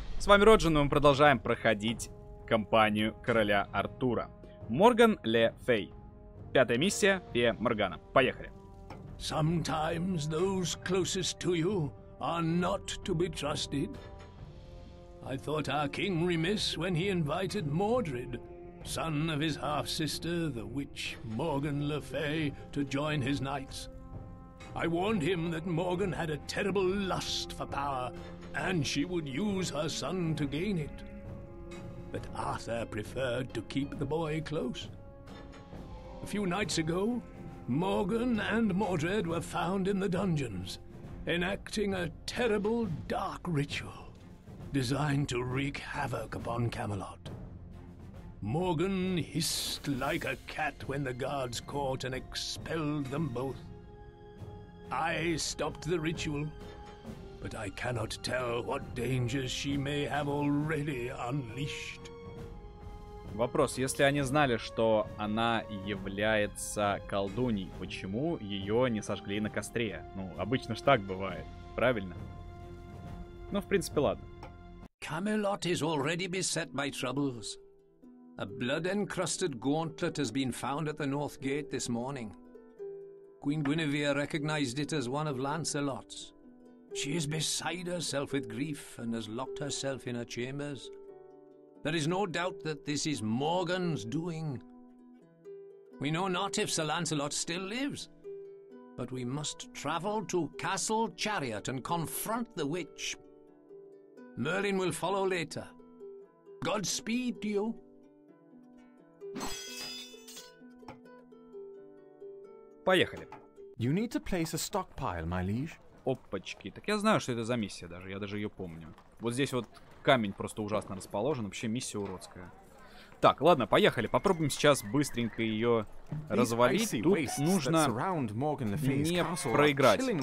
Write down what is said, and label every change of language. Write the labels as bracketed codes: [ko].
[ru] С вами Роджин, и мы продолжаем проходить кампанию короля Артура. Морган Ле Фей. Пятая миссия Фея Моргана. Поехали. [en] Sometimes those closest to you are not to be trusted. I thought our king remiss when he invited Mordred, son of his half-sister, the witch Morgan Le Fay, to join his knights. I warned him that Morgan had a terrible lust for power, and she would use her son to gain it. But Arthur preferred to keep the boy close. A few nights ago, Morgan and Mordred were found in the dungeons, enacting a terrible dark ritual designed to wreak havoc upon Camelot. Morgan hissed like a cat when the guards caught and expelled them both. I stopped the ritual, but I cannot tell what dangers she may have already unleashed. [ru] Вопрос: если они знали, что она является колдуньей, почему ее не сожгли на костре? Ну, обычно ж так бывает, правильно? Ну, в принципе, ладно. [en] Camelot is already beset by troubles. A blood-encrusted gauntlet has been found at the North Gate this morning. Queen Guinevere recognized it as one of Lancelot's. She is beside herself with grief and has locked herself in her chambers. There is no doubt that this is Morgan's doing. We know not if Sir Lancelot still lives, but we must travel to Castle Chariot and confront the witch. Merlin will follow later. Godspeed to you. [ru] Поехали. [en] You need to place a stockpile, my liege. [ru] Опачки, так я знаю, что это за миссия даже, я даже ее помню. Вот здесь вот камень просто ужасно расположен, вообще миссия уродская. Так, ладно, поехали, попробуем сейчас быстренько ее развалить. Тут нужно не проиграть.